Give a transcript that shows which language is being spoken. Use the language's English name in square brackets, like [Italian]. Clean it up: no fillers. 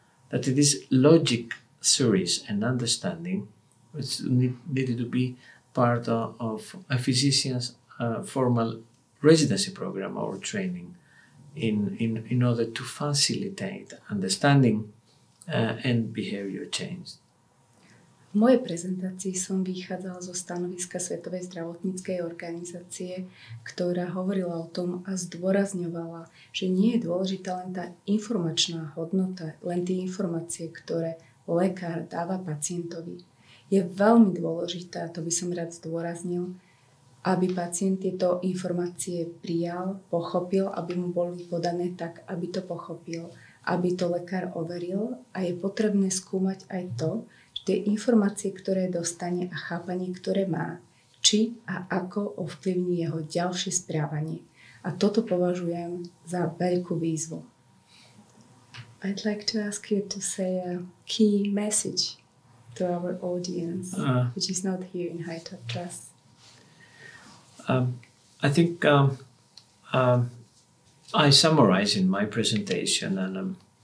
[English] that this logic series and understanding which needed to be part of a physician's formal residency program or training in order to facilitate understanding and behavior change. [Slovak] V mojej prezentácii som vychádzala zo stanoviska Svetovej zdravotníckej organizácie, ktorá hovorila o tom a zdôrazňovala, že nie je dôležitá len tá informačná hodnota, len tie informácie, ktoré lekár dáva pacientovi. Je veľmi dôležité, to by som rád zdôraznil, aby pacient tieto informácie prijal, pochopil, aby mu boli podané tak, aby to pochopil, aby to lekár overil, a je potrebné skúmať aj to, tie informácie, ktoré dostane a chápanie, ktoré má, či a ako ovplyvní jeho ďalšie správanie. A toto považujem za veľkú výzvu. [English] I'd like to ask you to say a key message to our audience, which is not here in High Top Trust. I think I summarize in my presentation and